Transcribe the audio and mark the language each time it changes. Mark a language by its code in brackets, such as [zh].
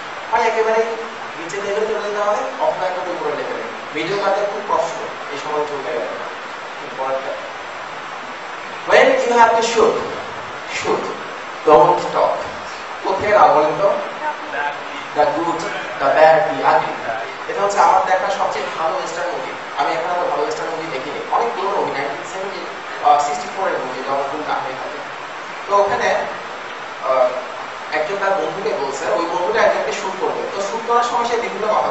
[bn] হয় একেবারে নিচে লেভেল চলে যেতে হবে অথবা একটা উপরে লেভেল, মিডিয়াম কাটে খুব কষ্ট এই সময় চলতে গেলে। [en] When you have to shoot, shoot, don't stop. [bn] কোথায় না বলেন তো? [en] The good, the bad, the ugly. [bn] এটা হচ্ছে আমার দেখা সবচেয়ে ভালো ওয়েস্টার্ন মুভি, আমি এখন এত ভালো ওয়েস্টার্ন মুভি দেখিনি, অনেক পুরনো মুভি 1964 এর মুভি যখন খুব কাম হয়ে থাকে। তো ওখানে একজন তার বন্ধুকে বলছে, ওই বন্ধুটা একজনকে শুট করবে, তো শুট করার সময় সে বিভিন্ন